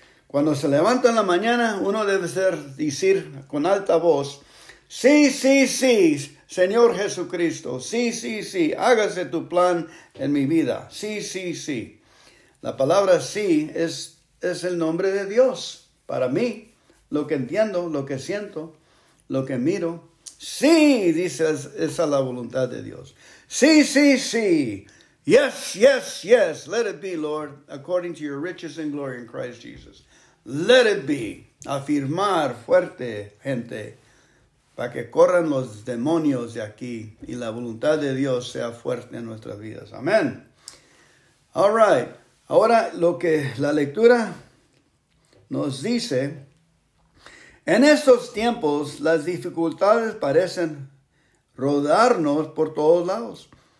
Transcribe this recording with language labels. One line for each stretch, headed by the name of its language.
Spanish: Cuando se levanta en la mañana, uno debe decir con alta voz, sí, sí, sí, Señor Jesucristo, sí, sí, sí, hágase tu plan en mi vida, sí, sí, sí. La palabra sí es el nombre de Dios para mí, lo que entiendo, lo que siento, lo que miro. Sí, dice esa la voluntad de Dios. Sí, sí, sí.
English: Yes, yes, yes, let it be, Lord, according to your riches and glory in Christ Jesus. Let it be,
Spanish: afirmar fuerte, gente, para que corran los demonios de aquí y la voluntad de Dios sea fuerte en nuestras vidas. Amén.
English: All right,
Spanish: ahora lo que la lectura nos dice, en estos tiempos las dificultades parecen rodarnos por todos lados.